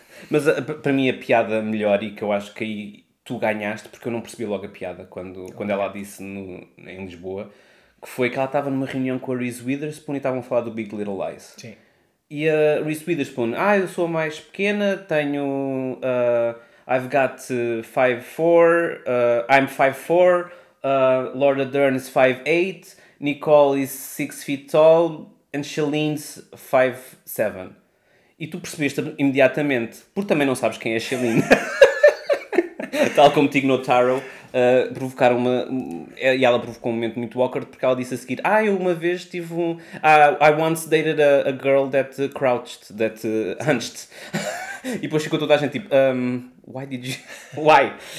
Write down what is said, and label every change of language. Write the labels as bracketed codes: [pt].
[pt] Mas para mim a piada melhor, e que eu acho que aí tu ganhaste, porque eu não percebi logo a piada quando ela disse em Lisboa, que foi que ela estava numa reunião com a Reese Witherspoon e estavam a falar do Big Little Lies. Sim. E a Reese Witherspoon, ah, eu sou a mais pequena, tenho... [en] I've got 5'4", I'm 5'4", Laura Dern is 5'8", Nicole is 6 feet tall and Shailene's 5'7". [pt] E tu percebeste imediatamente, porque também não sabes quem é Shailene. Tal como Tig Notaro, provocaram uma... E ela provocou um momento muito awkward, porque ela disse a seguir, ah, eu uma vez tive um... [en] I once dated a girl that crouched, that hunched. [pt] E depois ficou toda a gente tipo, [en] why did you... Why?